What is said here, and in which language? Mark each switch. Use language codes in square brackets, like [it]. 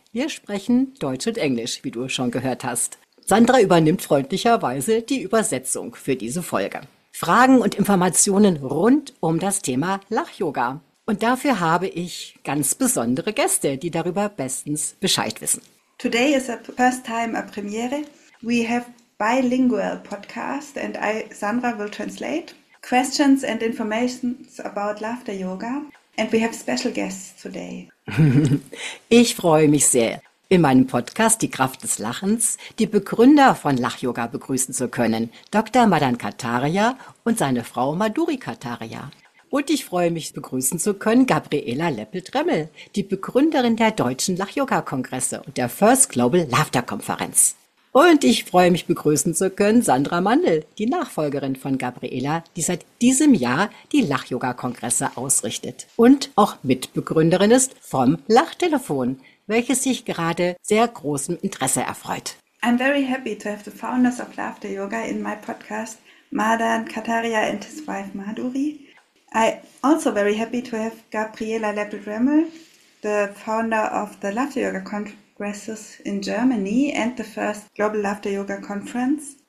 [de] Wir sprechen Deutsch und Englisch, wie du schon gehört hast. Sandra übernimmt freundlicherweise die Übersetzung für diese Folge. Fragen und Informationen rund um das Thema Lach-Yoga. Und dafür habe ich ganz besondere Gäste, die darüber bestens Bescheid wissen. [en] Today is a first time a premiere. We have bilingual podcast and Sandra will translate questions and information about laughter yoga and we have special guests today. [de] Ich freue mich sehr, in meinem Podcast Die Kraft des Lachens die Begründer von Lach-Yoga begrüßen zu können, Dr. Madan Kataria und seine Frau Madhuri Kataria. Und ich freue mich, begrüßen zu können Gabriela Leppel-Dremmel, die Begründerin der Deutschen Lach-Yoga-Kongresse und der First Global Laughter-Konferenz. Und ich freue mich, begrüßen zu können Sandra Mandl, die Nachfolgerin von Gabriela, die seit diesem Jahr die Lach-Yoga-Kongresse ausrichtet und auch Mitbegründerin ist vom Lachtelefon, welches sich gerade sehr großem Interesse erfreut. [en] I'm very happy to have the founders of Laughter-Yoga in my podcast, Madan Kataria and his wife Madhuri. I also very happy to have Gabriela Leppel-Dremmel, the founder of the Laughter Yoga Congresses in Germany and the first Global Laughter Yoga Conference.